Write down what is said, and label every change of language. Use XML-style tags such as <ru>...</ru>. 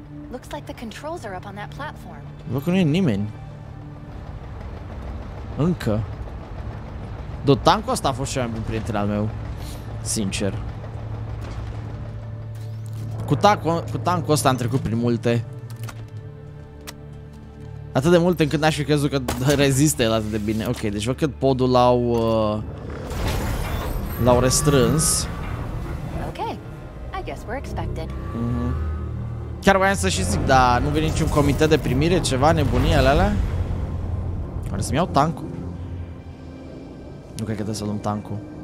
<en>Looks like the controls are up on that platform.</en> <ro>Văd că nu e nimeni. Încă. Dotanco asta a fost cel mai bun prieten al meu. Sincer. Cu tanco asta am trecut prin multe. Atât de multe încât n-aș fi crezut că rezistă el atât de bine. Ok, deci văd că podul l-au restrâns.</ro> <en>Okay. I guess we're expected.</en> <ro>Chiar voiam să și zic, dar nu vine niciun comitet de primire, ceva, nebunii alea. Oare să-mi iau tancul? Nu cred că trebuie să luăm tancul.</ro>